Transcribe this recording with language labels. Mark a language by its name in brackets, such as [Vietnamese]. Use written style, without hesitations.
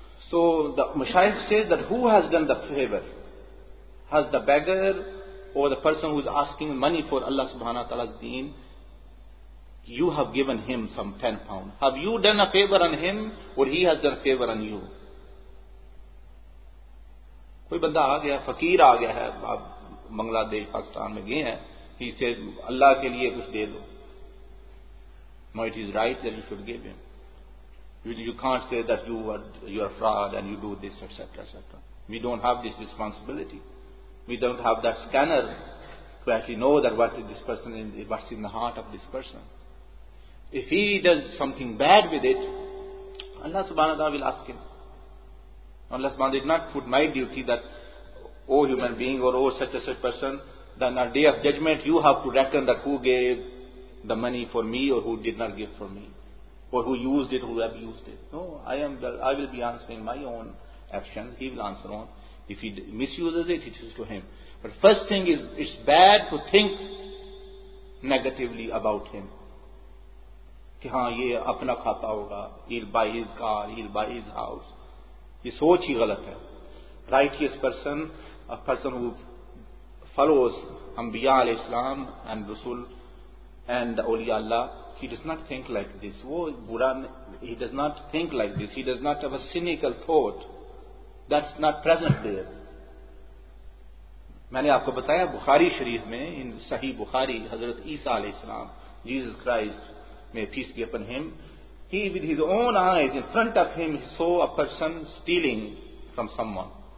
[English] So the mashayikh says that who has done the favor? Has the beggar or the person who is asking money for Allah subhanahu wa ta'ala's deen, you have given him some 10 pounds. Have you done a favor on him or he has done a favor on you? [Urdu] کوئی بندہ آ گیا فقیر آ گیا ہے آپ بنگلہ دیش پاکستان میں گئے ہیں ہی سے اللہ کے لیے کچھ دے دو [English] No it is right that you should give him you can't say that you are fraud and you do this etcetera etcetera we don't have this responsibility we don't have that scanner to actually know that what is this person what's in the heart of this person if he does something bad with it اللہ سبحانہ تعالی will ask him. Allah subhanahu wa ta'ala did not put my duty that, oh human being or oh such a such person, then on the day of judgment you have to reckon that who gave the money for me or who did not give for me. Or who used it, who abused it. No, I will be answering my own actions. He will answer on. If he misuses it, it is to him. But first thing is, it's bad to think negatively about him. [Urdu] Ki haan, ye apna khata hoga. [English] He'll buy his car, he'll buy his house. [Urdu] یہ سوچ ہی غلط ہے [English] righteous person, a person who follows Anbiya al-Islam and Rasul and Awliya Allah, he does not think like this. He does not think like this. He does not have a cynical thought. That's not present there. [Urdu] میں نے آپ کو بتایا بخاری شریف میں ان صحیح بخاری حضرت عیسیٰ علیہ السلام [English] Jesus Christ may peace be upon him he with his own eyes in front of him he saw a person stealing from someone